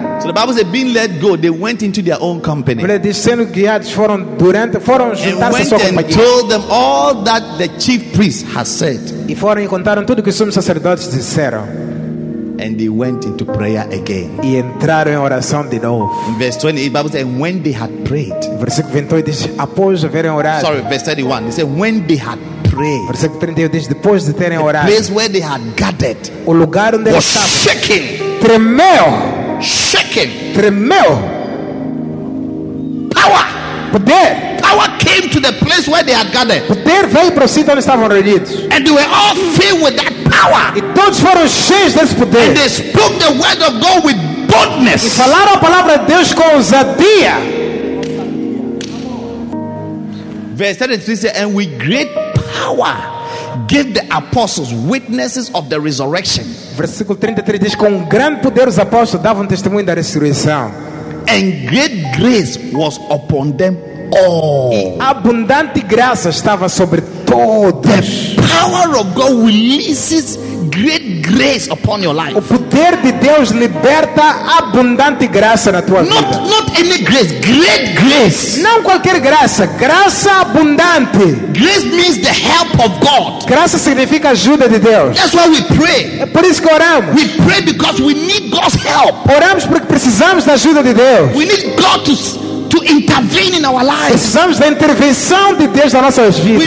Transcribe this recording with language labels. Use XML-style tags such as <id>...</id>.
<en>So the Bible says, being let go, they went into their own company.</en> <pt>Eles disseram guiados foram juntar-se à sua companhia.</pt> <en>And went and told them all that the chief priest has said.</en> <pt>E foram e contaram tudo que os sumos sacerdotes disseram.</pt> <en>And they went into prayer again.</en> <pt>E entraram em oração de novo.</pt> <en>In verse 28, the Bible says, when they had prayed.</en> <pt>Versículo 28 diz, após haverem orado.</pt> <en>Sorry, verse 31. It says, when they had prayed.</en> <pt>Versículo 31 diz, depois de terem orado.</pt> <en>The place where they had gathered.</en> <pt>O lugar onde eles estavam.</pt> <en>Shaking.</en> <pt>Tremeu.</pt> <en>Shaking.</en> <pt>Tremeu.</pt> <en>Power.</en> <pt>Poder.</pt> <en>Power came to the place where they had gathered.</en> <pt>Poder veio para o sítio onde estavam reunidos.</pt> <en>And they were all filled with that.</en> <pt>E todos foram cheios desse poder.</pt> <en>And they spoke the word of God with boldness.</en> <pt>E falaram a palavra de Deus com ousadia.</pt> <en>Verse 33 says, and with great power gave the apostles witnesses of the resurrection.</en> <pt>Versículo 33 diz, com grande poder os apóstolos davam testemunho da ressurreição.</pt> <en>And great grace was upon them all.</en> <pt>E abundante graça estava sobre todos.</pt> <en>The power of God releases great grace upon your life.</en> <pt>O poder de Deus liberta abundante graça na tua</pt> <en>not,</en> <pt>vida.</pt> <en>Not any grace, great grace.</en> <pt>Não qualquer graça, graça abundante.</pt> <en>Grace means the help of God.</en> <pt>Graça significa ajuda de Deus.</pt> <en>That's why we pray.</en> <pt>É por isso que oramos.</pt> <en>We pray because we need God's help.</en> <pt>Oramos porque precisamos da ajuda de Deus.</pt> <en>We need God to intervene in our lives.</en> <pt>Precisamos da intervenção de Deus nas nossas vidas.</pt>